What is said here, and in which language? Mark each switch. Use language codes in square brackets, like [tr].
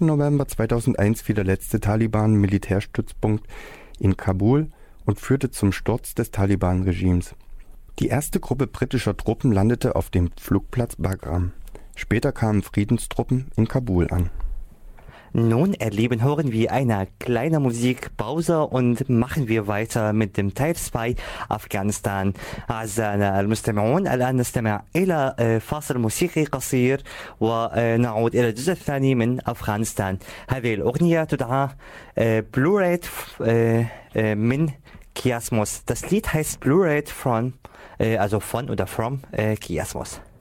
[de] November 2001 fiel der letzte Taliban-Militärstützpunkt in Kabul und führte zum Sturz des Taliban-Regimes. Die erste Gruppe britischer Truppen landete auf dem Flugplatz Bagram. Später kamen Friedenstruppen in Kabul an. Nun hören wir eine kleine Musikpause und machen wir weiter mit dem Teil 2 Afghanistan. [ar] أعزائنا المستمعون الآن نستمع إلى فاصل موسيقي قصير ونعود إلى الجزء الثاني من أفغانستان. هذه الأغنية تدعى Blue Red من Kiasmos. [de] Das Lied heißt Blue Red from also von oder from Kiasmos.